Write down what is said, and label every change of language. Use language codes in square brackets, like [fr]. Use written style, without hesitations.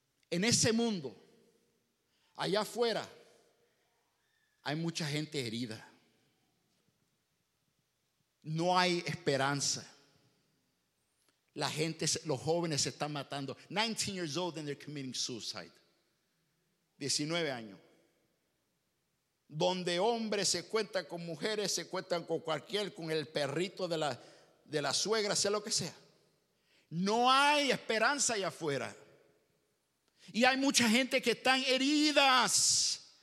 [es] En ese mundo, allá afuera, hay mucha gente herida. No hay esperanza. La gente, los jóvenes se están matando. [en] 19 years old and they're committing suicide. [es] 19 años. Donde hombres se cuentan con mujeres, se cuentan con cualquier, con el perrito de la suegra, sea lo que sea. No hay esperanza allá afuera. Y hay mucha gente que están heridas.